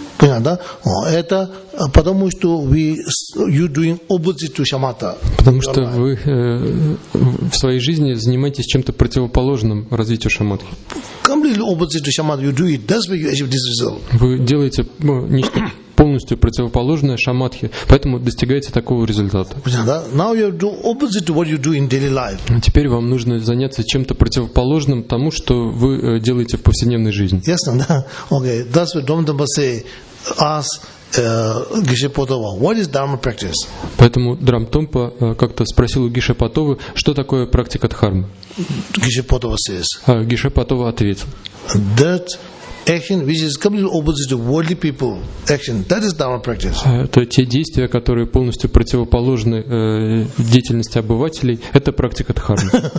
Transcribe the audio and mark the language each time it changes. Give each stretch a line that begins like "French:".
Russian: Понятно, да? Это потому что
English: you doing opposite to shamatha.
Russian: Потому что вы в своей жизни занимаетесь чем-то противоположным развитию шамадхи.
English: Completely opposite to shamatha you do it. That's why you achieve this result.
Russian: Вы делаете нечто полностью противоположное шамадхи, поэтому достигаете такого результата. Понятно, да?
English: Now you do opposite to what you do in daily life.
Russian: Теперь вам нужно заняться чем-то противоположным тому, что вы делаете в повседневной жизни. Ясно, да?
English: Okay. That's why Dom Dhamma say us Гиша Потова, what is Dharma practice?
Russian: Поэтому Драм Томпа как-то спросил у Гиша Потовы, что такое практика дхармы.
English: Гиша Потова says.
Russian: Гиша Потова ответил.
English: That action which is completely opposite to worldly people action, that is Dharma practice.
Russian: Это те действия, которые полностью противоположны деятельности обывателей, это практика дхармы.